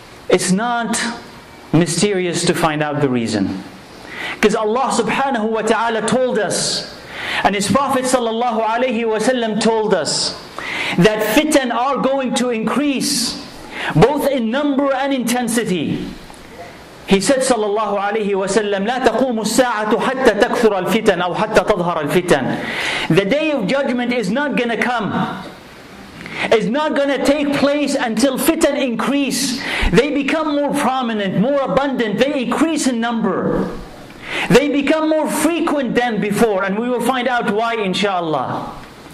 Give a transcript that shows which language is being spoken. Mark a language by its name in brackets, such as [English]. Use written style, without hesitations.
[English] It's not mysterious to find out the reason, because Allah subhanahu wa ta'ala told us, and His Prophet sallallahu alayhi wa sallam told us, that fitan are going to increase, both in number and intensity. He said [Arabic] sallallahu alayhi wa sallam, لا تقوم الساعة حتى تكثر الفتن أو حتى تظهر الفتن. [English] The day of judgment is not going to come. It's not going to take place until fitan increase. They become more prominent, more abundant. They increase in number. They become more frequent than before, and we will find out why inshallah.